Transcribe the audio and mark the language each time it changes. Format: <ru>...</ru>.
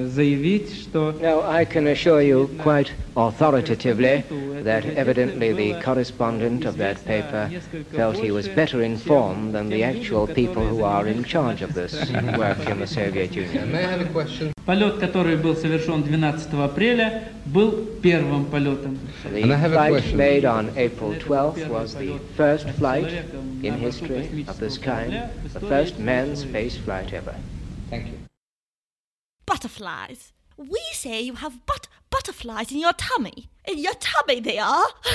<en>Now, I can assure you quite authoritatively that evidently the correspondent of that paper felt he was better informed than the actual people who are in charge of this work in the Soviet Union. May I have a question?</en> <ru>Полет, который был совершен 12 апреля, был первым полетом.</ru> <en>The flight made on April 12th was the first flight in history of this kind, the first manned space flight ever. Thank you. Butterflies. We say you have butterflies in your tummy. In your tummy they are.</en>